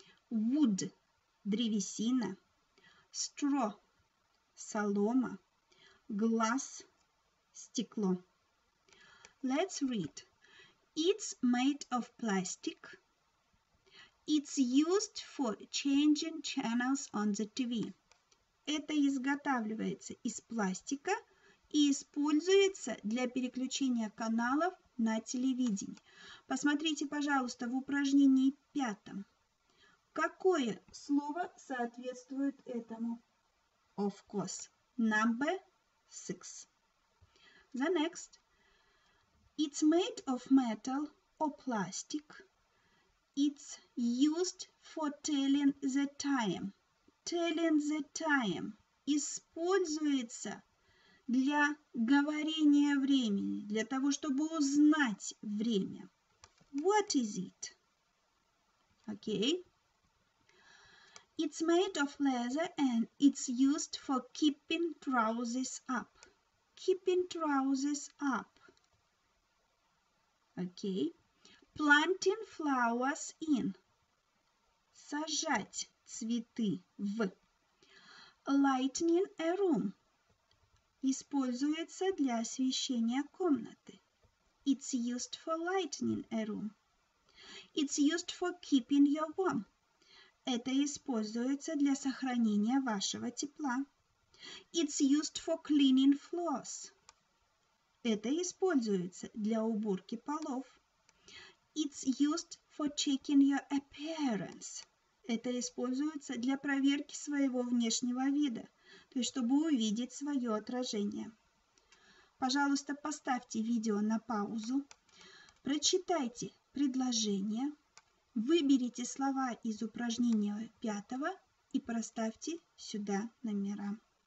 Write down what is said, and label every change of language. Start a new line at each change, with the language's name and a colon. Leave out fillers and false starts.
English: Wood, древесина. Straw, солома. Glass, стекло. Let's read. It's made of plastic. It's used for changing channels on the TV.
Russian: Это изготавливается из пластика и используется для переключения каналов на телевидении. Посмотрите, пожалуйста, в упражнении пятом. Какое слово соответствует этому?
English: Of course. Number six. The next. It's made of metal or plastic. It's used for telling the time. Telling the time.
Russian: Используется для говорения времени, для того, чтобы узнать время.
English: What is it? Okay. It's made of leather and it's used for keeping trousers up. Keeping trousers up. Okay. Planting flowers in.
Russian: Сажать цветы в.
English: Lighting a room.
Russian: Используется для освещения комнаты.
English: It's used for lighting a room. It's used for keeping you warm.
Russian: Это используется для сохранения вашего тепла.
English: It's used for cleaning floors.
Russian: Это используется для уборки полов.
English: It's used for checking your appearance.
Russian: Это используется для проверки своего внешнего вида, то есть чтобы увидеть свое отражение. Пожалуйста, поставьте видео на паузу, прочитайте предложение, выберите слова из упражнения пятого и проставьте сюда номера.